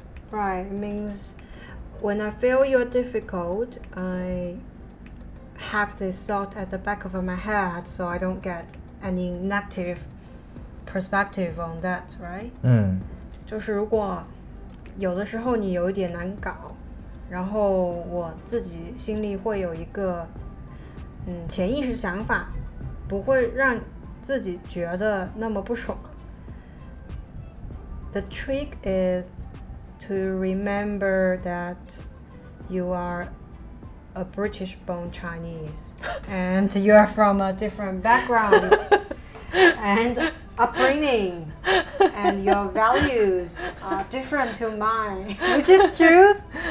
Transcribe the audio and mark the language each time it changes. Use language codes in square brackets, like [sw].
[en] Right, it means when I feel you're difficult, I have this thought at the back of my head so I don't get any negative perspective on that, right? [zh] 就是如果有的时候你有一点难搞，然后我自己心里会有一个潜意识想法，不会让自己觉得那么不爽。 [en] The trick is to remember that you are a British born Chinese and you are from a different background and upbringing and your values are different to mine, which is truth.